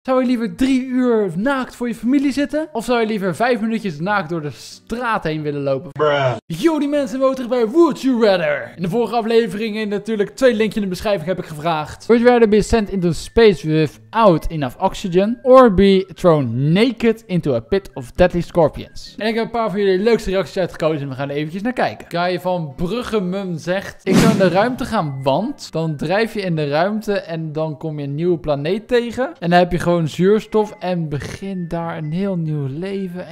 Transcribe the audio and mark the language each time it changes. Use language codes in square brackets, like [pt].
[nl] Zou je liever 3 uur naakt voor je familie zitten? Of zou je liever 5 minuutjes naakt door de straat heen willen lopen? Bruh. Yo, die mensen, welkom terug bij Would You Rather. In de vorige aflevering, en natuurlijk 2 linkjes in de beschrijving, heb ik gevraagd. [en] Would you rather be sent into space without enough oxygen? Or be thrown naked into a pit of deadly scorpions? [nl] En ik heb een paar van jullie leukste reacties uitgekozen en we gaan er eventjes naar kijken. Guy van Bruggemum zegt. Ik zou in de ruimte gaan, want dan drijf je in de ruimte en dan kom je een nieuwe planeet tegen. En dan heb je gewoon zuurstof en begin daar een heel nieuw leven.